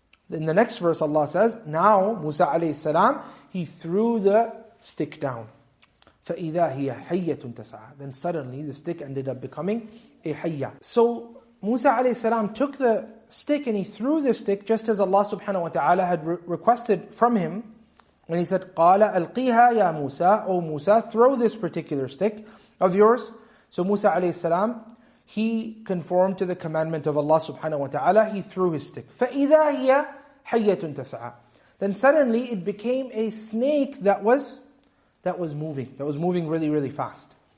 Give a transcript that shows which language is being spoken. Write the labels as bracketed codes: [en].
[en] In the next verse Allah says, now Musa alayhi salam, he threw the stick down. [ar] فَإِذَا هِيَ حَيَّةٌ تَسَعَى. [en] Then suddenly the stick ended up becoming a hayya. So Musa alayhi salam took the stick and he threw the stick just as Allah subhanahu wa ta'ala had requested from him. And he said, [ar] قَالَ أَلْقِيهَا يَا مُوسَىٰ. [en] O Musa, throw this particular stick of yours. So Musa alayhi salam, he conformed to the commandment of Allah subhanahu wa ta'ala. He threw his stick. [ar] فَإِذَا هِيَ حَيَّةٌ تَسَعَى. [en] Then suddenly it became a snake that was moving really, really fast.